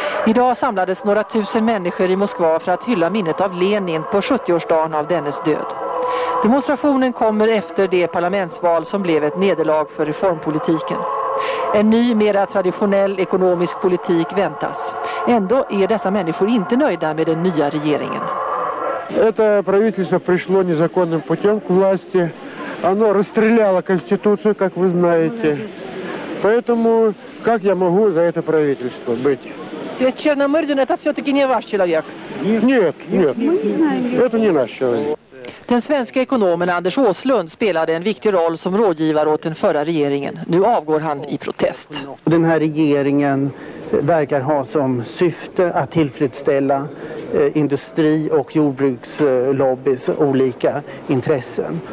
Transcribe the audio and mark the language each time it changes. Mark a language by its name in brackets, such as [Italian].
[Swedish] Idag samlades några tusen människor i Moskva för att hylla minnet av Lenin på 70-årsdagen av dennes död. Demonstrationen kommer efter det parlamentsval som blev ett nederlag för reformpolitiken. En ny, mera traditionell ekonomisk politik väntas. Ändå är dessa människor inte nöjda med den nya regeringen. [Russian] Это правительство пришло незаконным путем к власти. Оно расстреляло конституцию, как вы знаете. Поэтому как я могу за это правительство быть? Ведь Черномырдин это все-таки не ваш человек. Нет. Это не наш человек. [Swedish] Den svenska ekonomen Anders Åslund spelade en viktig roll som rådgivare åt den förra regeringen. Nu avgår han i protest. Den här regeringen verkar ha som syfte att tillfredsställa industri- och jordbrukslobbys olika intressen.